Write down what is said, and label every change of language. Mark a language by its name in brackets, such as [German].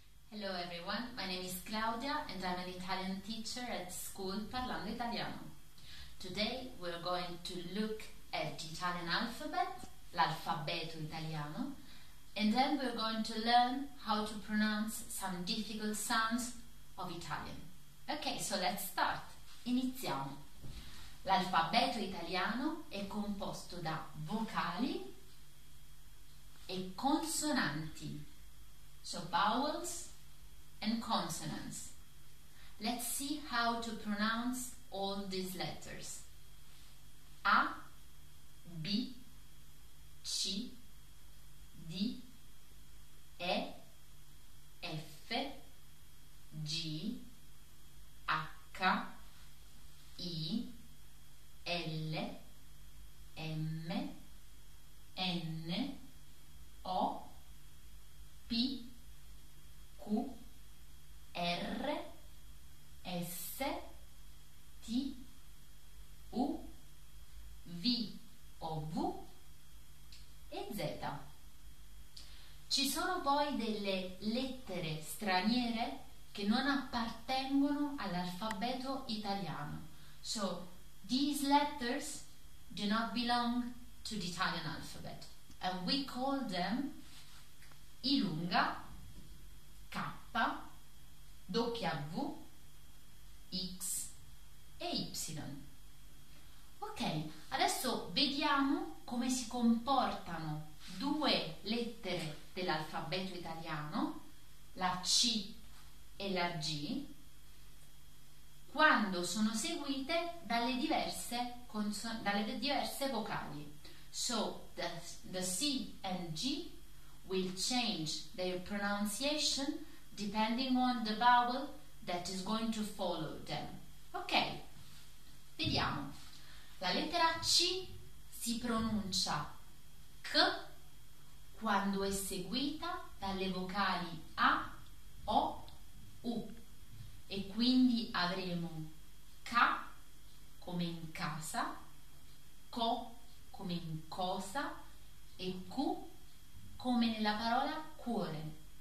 [English] Hello everyone, my name is Claudia and I'm an Italian teacher at school Parlando Italiano. Today we're going to look at the Italian alphabet, [Italian] l'alfabeto italiano, [English] and then we're going to learn how to pronounce some difficult sounds of Italian. Okay, so let's start. [Italian] Iniziamo. L'alfabeto italiano è composto da vocali e consonanti. [English] So vowels and consonants. Let's see how to pronounce all these letters. A, B, C, D, E, F, G, H, I, L, M, N, O, P, Q, R, S, T, U, V o V e Z. [Italian] Ci sono poi delle lettere straniere che non appartengono all'alfabeto italiano. [English] So, these letters do not belong to the Italian alphabet. And we call them I lunga, K, W, X e Y. [Italian] Ok, adesso vediamo come si comportano due lettere dell'alfabeto italiano, la C e la G, quando sono seguite dalle diverse vocali. [English] So, the C and G will change their pronunciation depending on the vowel that is going to follow them. [Italian] Ok, vediamo. La lettera C si pronuncia C quando è seguita dalle vocali A, O, U. E quindi avremo K come in casa, Co come in cosa e Q come nella parola cuore.